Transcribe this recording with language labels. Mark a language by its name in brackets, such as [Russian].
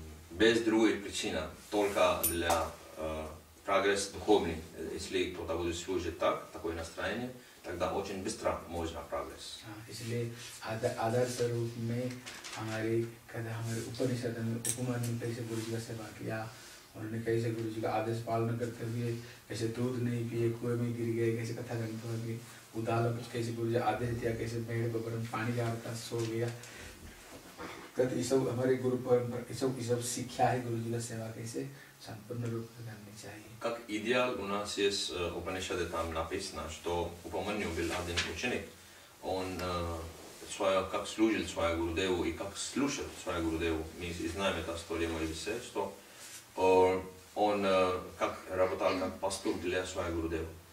[Russian] Без другой причины, только для прогресс духовный. Если кто-то будет служить так, такое настроение, тогда очень быстро можно прогресс. [Hindi] Если адарса руб ме, हमारे कहते हमारे उपनिषद में उपमान में कैसे गुरुजी का सेवा किया उन्होंने कैसे गुरुजी का आदेश पालन करते हुए कैसे दूध नहीं पिए कुएं में गिर गए कैसे कथा ग्रंथ हो गए उदालक कैसे गुरुजी आदेश दिया कैसे मेरे गोबर में पानी डालता सो गया कहते ये सब हमारे गुरु परंपरा ये सब सीखा है गुरुजी का सेवा कैसे संपूर्ण रूप से करनी चाहिए [Russian] как идеал у нас есть उपनिषद там написано что упоминаю был один ученик он своя, как служил своя Гурудеву и как слушал своя Гурудеву. Мы знаем эту историю моей беседы, что он как работал как пастор для своей Гурудеву.